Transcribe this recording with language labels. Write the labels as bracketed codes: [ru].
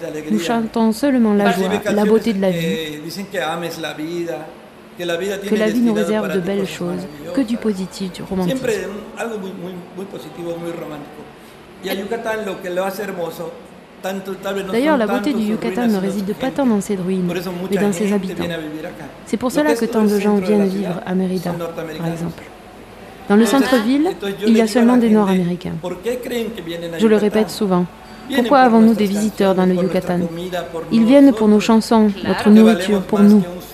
[fr] Nous chantons seulement la joie, la beauté de la vie, que la vie nous réserve de belles choses, que du positif, du romantique. [es] Algo muy positivo, muy romántico. Y a Yucatán lo que lo hace hermoso. [fr] D'ailleurs, la beauté du Yucatán ne réside pas tant dans ses ruines, mais dans ses habitants. C'est pour cela que tant de gens viennent vivre à Mérida, par exemple. Dans le centre-ville, il y a seulement des Nord-Américains. Je le répète souvent. Pourquoi avons-nous des visiteurs dans le Yucatán? Ils viennent pour nos chansons, notre nourriture, pour nous.